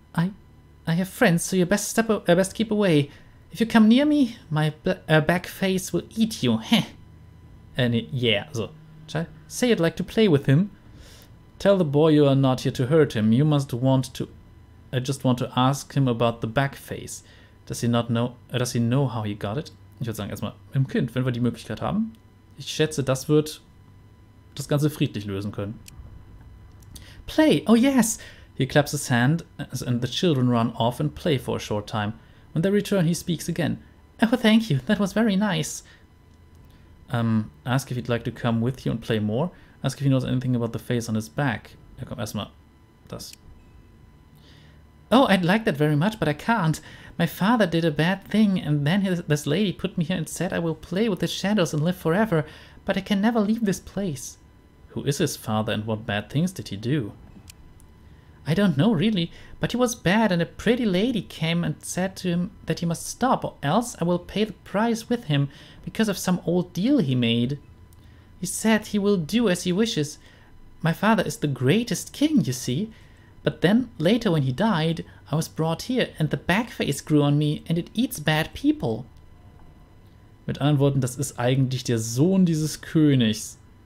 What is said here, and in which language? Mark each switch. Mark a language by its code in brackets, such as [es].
[en] I have friends, so you best best keep away. If you come near me, my back face will eat you, heh. And yeah, so. Child, say you'd like to play with him. Tell the boy you are not here to hurt him. You must want to... I just want to ask him about the back face. Does he know how he got it? [de] Ich würde sagen, erstmal mit dem Kind, wenn wir die Möglichkeit haben. Ich schätze, das wird das Ganze friedlich lösen können. [en] Play, oh yes! He claps his hand, and the children run off and play for a short time. When they return, he speaks again. Oh, thank you. That was very nice. Ask if he'd like to come with you and play more. Ask if he knows anything about the face on his back. [de] Ja, komm, erstmal das. [en] Oh, I'd like that very much, but I can't. My father did a bad thing, and then this lady put me here and said I will play with the shadows and live forever, but I can never leave this place. Who is his father, and what bad things did he do? I don't know, really, but he was bad and a pretty lady came and said to him that he must stop or else I will pay the price with him because of some old deal he made. He said he will do as he wishes. My father is the greatest king, you see. But then, later when he died, I was brought here and the back face grew on me and it eats bad people. [de] Mit anderen Worten, das ist eigentlich der Sohn dieses Königs.